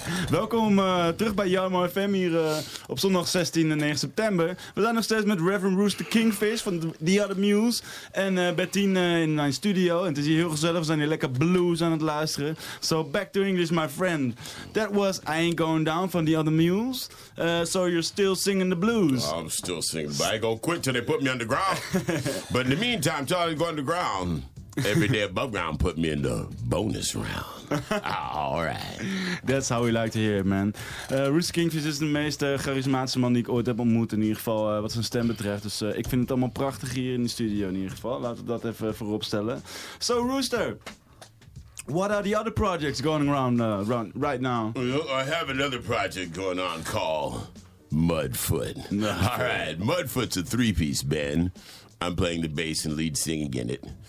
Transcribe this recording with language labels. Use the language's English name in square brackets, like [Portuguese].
[Dutch] Welkom terug bij Jarmo FM hier op zondag 16 en 9 september. We zijn nog steeds met Reverend Rooster Kingfish van The Other Mules. En Bettine in mijn studio. En het is hier heel gezellig. We zijn hier lekker blues aan het luisteren. [English] So back to English, my friend. That was I Ain't Going Down van The Other Mules. So you're still singing the blues. I'm still singing, but I ain't gonna quit till they put me underground. But in the meantime, till I go underground, every day above ground put me in the bonus round. All right. That's how we like to hear it, man. [Dutch] Rooster Kingfish is de meest charismatische man die ik ooit heb ontmoet, in ieder geval wat zijn stem betreft. Dus ik vind het allemaal prachtig hier in de studio, in ieder geval. Laten we dat even voorop stellen. [English] So, Rooster, what are the other projects going around right now? I have another project going on called Mudfoot. All right, Mudfoot's a three-piece band. I'm playing the bass and lead singing in it.